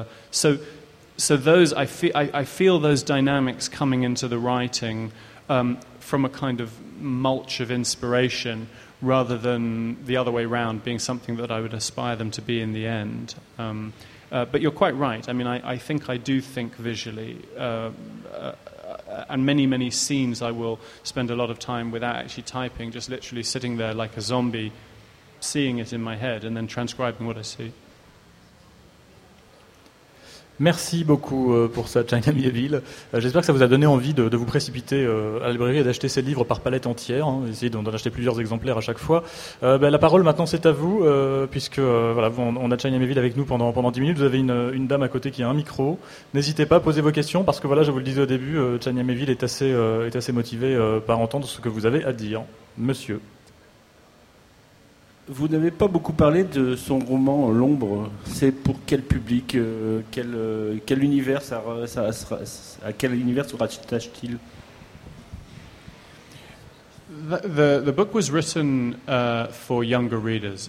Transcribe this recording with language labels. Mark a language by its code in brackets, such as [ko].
[en] So those, I feel those dynamics coming into the writing from a kind of mulch of inspiration, rather than the other way around being something that I would aspire them to be in the end. But you're quite right. I mean, I think visually, and many, many scenes I will spend a lot of time without actually typing, just literally sitting there like a zombie, seeing it in my head and then transcribing what I see. [fr] Merci beaucoup pour ça, China Mieville. J'espère que ça vous a donné envie de vous précipiter à la librairie et d'acheter ces livres par palette entière. Hein, essayez d'en acheter plusieurs exemplaires à chaque fois. La parole maintenant, c'est à vous, puisque voilà, on a China Mieville avec nous pendant 10 minutes. Vous avez une dame à côté qui a un micro. N'hésitez pas à poser vos questions, parce que voilà, je vous le disais au début, China Mieville est assez motivée par entendre ce que vous avez à dire. Monsieur. Vous n'avez pas beaucoup parlé de son roman L'Ombre. C'est pour quel public, quel univers, à quel univers se rattache-t-il? [en] The book was written for younger readers.